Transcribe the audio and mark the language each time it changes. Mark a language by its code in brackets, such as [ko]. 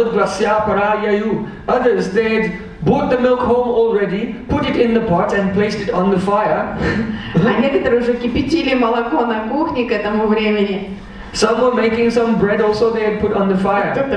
[en] Others did brought the milk home already, put it in the pot and placed it on the fire. [ru] А некоторые уже кипятили молоко на кухне к этому времени. [en] Some were making some bread also they had put on the fire.